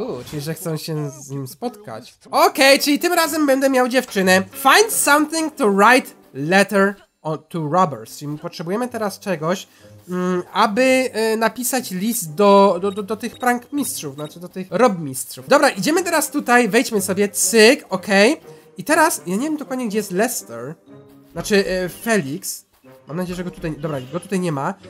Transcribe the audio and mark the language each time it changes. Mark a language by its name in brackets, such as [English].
[Polish] Czyli że chcą się z nim spotkać. Okej, czyli tym razem będę miał dziewczynę. [English] Find something to write letter to robbers. [Polish] Czyli potrzebujemy teraz czegoś, aby napisać list do tych prank mistrzów, znaczy do tych robmistrzów. Dobra, idziemy teraz tutaj, wejdźmy sobie, cyk, okej. I teraz, ja nie wiem dokładnie gdzie jest Lester, znaczy Felix. Mam nadzieję, że go tutaj... Dobra, go tutaj nie ma.